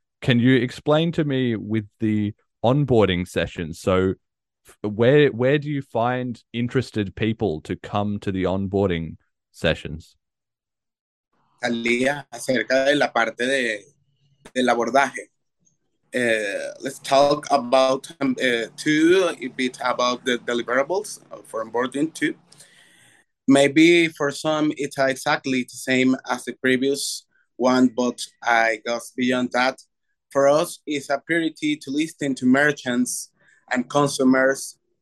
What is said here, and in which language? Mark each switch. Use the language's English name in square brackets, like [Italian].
[English] Can you explain to me with the onboarding sessions? So where do you find interested people to come to the onboarding sessions? [Spanish] Talia, acerca de la parte de del abordaje. [English] Let's talk about a bit about the deliverables for onboarding too. Maybe for some it's exactly the same as the previous one, but I guess beyond that, for us it's a priority to listen to merchants and consumers,